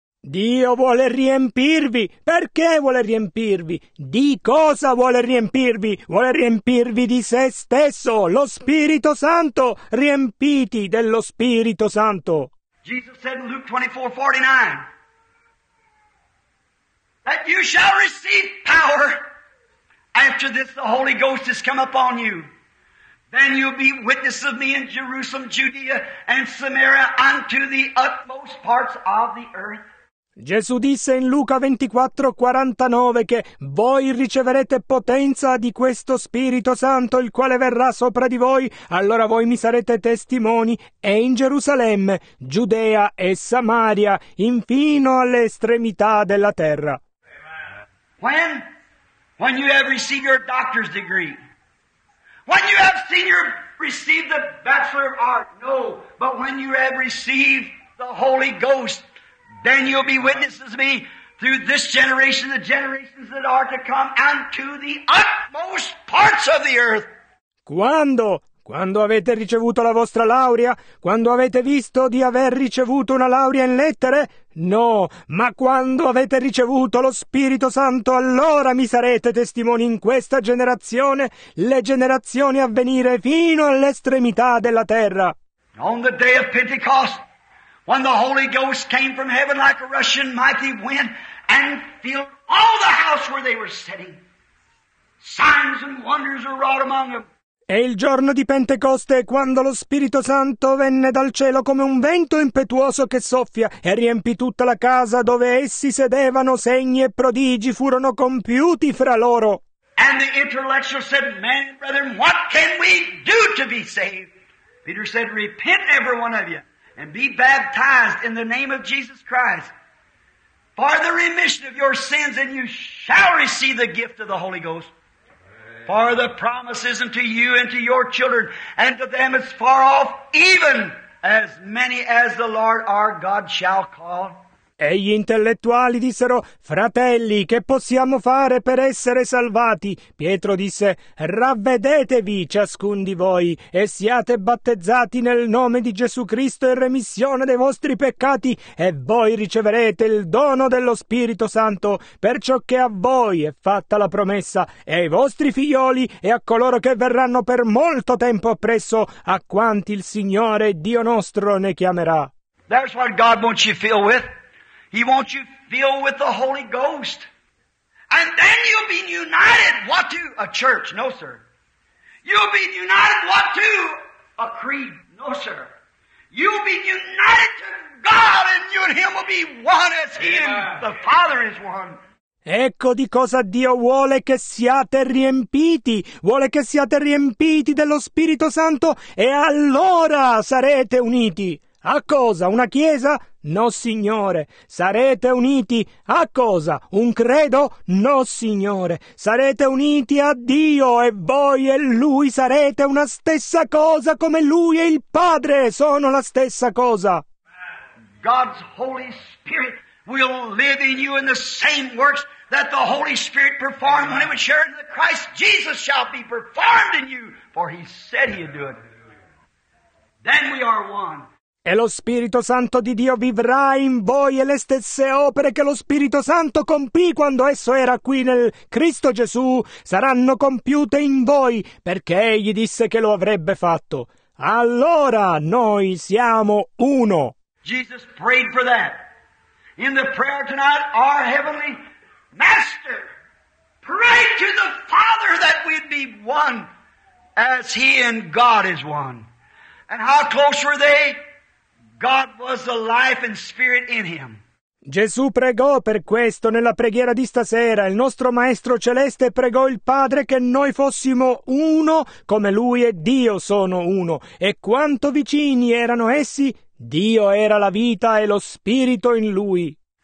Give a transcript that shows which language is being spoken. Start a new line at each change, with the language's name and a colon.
Italian: Dio vuole riempirvi. Perché vuole riempirvi? Di cosa vuole riempirvi? Vuole riempirvi di se stesso, lo Spirito Santo. Riempiti dello Spirito Santo.
English: Jesus said in Luke 24:49 that you shall receive power. After this, the Holy Ghost has come upon you. Then you'll be witnesses of me in Jerusalem, Judea, and Samaria, unto the utmost parts of the earth.
Italian: Gesù disse in Luca 24:49 che voi riceverete potenza di questo Spirito Santo, il quale verrà sopra di voi, allora voi mi sarete testimoni, e in Gerusalemme, Giudea e Samaria, infino alle estremità della terra.
English: When? When you have received your doctor's degree. When you have received the Bachelor of Art. No, but when you have received the Holy Ghost, then you'll be witnesses of me through this generation, the generations that are to come, and to the utmost parts of the earth.
Italian: Quando? Quando avete ricevuto la vostra laurea? Quando avete visto di aver ricevuto una laurea in lettere? No, ma quando avete ricevuto lo Spirito Santo, allora mi sarete testimoni in questa generazione, le generazioni a venire fino all'estremità della terra.
English: On the day of Pentecost, when the Holy Ghost came from heaven like a rushing mighty wind and filled all the house where they were sitting, signs and wonders were wrought among them.
Italian: E il giorno di Pentecoste, quando lo Spirito Santo venne dal cielo come un vento impetuoso che soffia e riempì tutta la casa dove essi sedevano, segni e prodigi furono compiuti fra loro.
English: And the intellectual said, "Man, brethren, what can we do to be saved?" Peter said, "Repent, every one of you, and be baptized in the name of Jesus Christ for the remission of your sins, and you shall receive the gift of the Holy Ghost. For the promise is unto you and to your children, and to them as far off, even as many as the Lord our God shall call."
Italian: E gli intellettuali dissero, "Fratelli, che possiamo fare per essere salvati?" Pietro disse, "Ravvedetevi ciascun di voi, e siate battezzati nel nome di Gesù Cristo in remissione dei vostri peccati, e voi riceverete il dono dello Spirito Santo, perciò che a voi è fatta la promessa, e ai vostri figlioli, e a coloro che verranno per molto tempo appresso, a quanti il Signore Dio nostro ne chiamerà."
English: That's what God wants you filled with. He wants you filled with the Holy Ghost. And then you'll be united, what to? A church, no sir. You'll be united, what to? A creed, no sir. You'll be united to God, and you and Him will be one as He and the Father is one.
Italian: Ecco di cosa Dio vuole che siate riempiti. Vuole che siate riempiti dello Spirito Santo, e allora sarete uniti. A cosa? Una chiesa? No, Signore. Sarete uniti a cosa? Un credo? No, Signore. Sarete uniti a Dio, e voi e Lui sarete una stessa cosa, come Lui e il Padre sono la stessa cosa.
English: God's Holy Spirit will live in you in the same works that the Holy Spirit performed when it was shared in the Christ. Jesus shall be performed in you, for He said He would do it. Then we are one.
Italian: E lo Spirito Santo di Dio vivrà in voi, e le stesse opere che lo Spirito Santo compì quando esso era qui nel Cristo Gesù saranno compiute in voi, perché Egli disse che lo avrebbe fatto. Allora noi siamo uno.
English: Jesus prayed for that. In the prayer tonight, our heavenly Master, pray to the Father that we'd be one. as he and God is one. And how close were they? God was the life and spirit in him.
Italian: Gesù pregò per questo nella preghiera di stasera. Il nostro Maestro Celeste pregò il Padre che noi fossimo uno come Lui e Dio sono uno. E quanto vicini erano essi, Dio era la vita e lo Spirito in Lui.